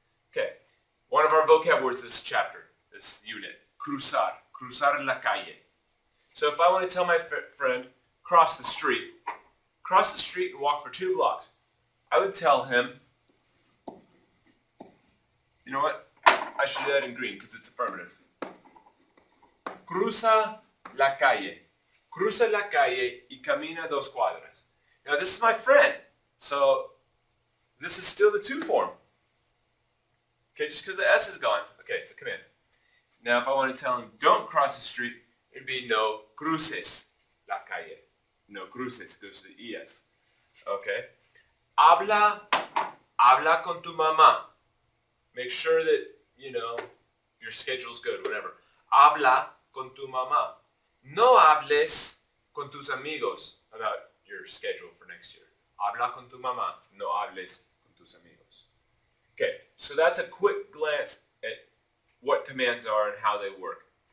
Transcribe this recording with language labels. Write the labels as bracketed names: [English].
[English] Okay, one of our vocab words this chapter, this unit, [Spanish] cruzar, cruzar la calle. [English] So if I want to tell my friend, cross the street and walk for 2 blocks, I would tell him, you know what, I should do that in green because it's affirmative. [Spanish] Cruza la calle. Cruza la calle y camina 2 cuadras. [English] Now this is my friend, so this is still the 2 form. Okay, just because the S is gone, okay, it's a command. Now if I want to tell him don't cross the street, it'd be [Spanish] no cruces la calle. No cruces, [English] because the ES. Okay. [Spanish] Habla con tu mamá. [English] Make sure that, you know, your schedule's good, whatever. [Spanish] Habla con tu mamá. No hables con tus amigos [English] about your schedule for next year. [Spanish] Habla con tu mamá. No hables con tus amigos. [English] Okay, so that's a quick glance at what commands are and how they work.